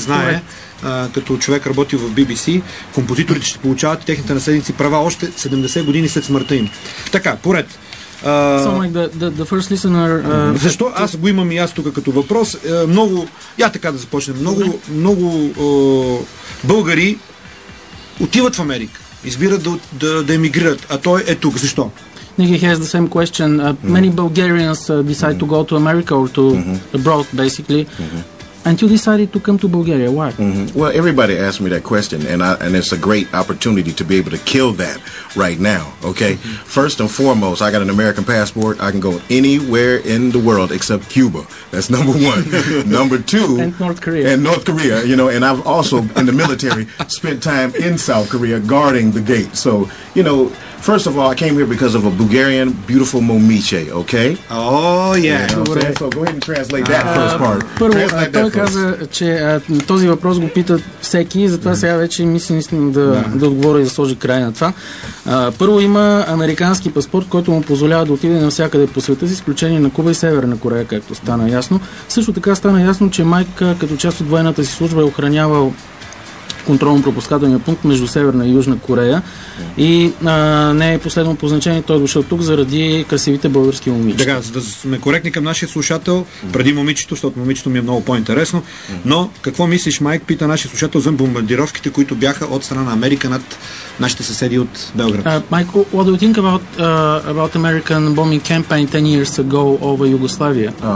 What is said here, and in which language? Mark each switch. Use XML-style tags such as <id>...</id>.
<bg>знае, като човек работи в BBC, композиторите ще получават техните наследници права още 70 години след смъртта им. Така, поред.</bg> <en>The first listener,</en> <bg>защо? Аз го имам и аз тук като въпрос. Много, я така да започнем. Много, много българи отиват в Америка, избират да емигрират, а той е тук. Защо?</bg> <en>Nicky has the same question. Many Bulgarians decide to go to America or to abroad, basically. And you decided to come to Bulgaria. Why? Well, everybody asked me that question, and it's a great opportunity to be able to kill that right now, okay? First and foremost, I got an American passport. I can go anywhere in the world except Cuba. That's number one. Number two... And North Korea, you know, and I've also, in the military, spent time in South Korea guarding the gate. So, you know, first of all, I came here because of a Bulgarian beautiful</en> <bg>momiche,</bg> <en>okay? Oh, yeah. You know what I'm saying? So go ahead and translate that first part. Translate</en> <bg>Той каза, че този въпрос го питат всеки, затова сега вече мисля наистина да отговоря и да сложи край на това. Първо има американски паспорт, който му позволява да отиде навсякъде по света, с изключение на Куба и Северна Корея, както стана ясно. Също така стана ясно, че Майк като част от военната си служба е охранявал контролно-пропускателния пункт между Северна и Южна Корея. И не е последно по значение, той е дошъл тук заради красивите български момичета. Така, за да сме коректни към нашия слушател, преди момичето, защото момичето ми е много по-интересно. Но какво мислиш, Майк, пита нашия слушател за бомбардировките, които бяха от страна на Америка над нашите съседи от Белград?</bg> <en>Майк, what do you think about about American bombing campaign 10 years ago over Yugoslavia?</en>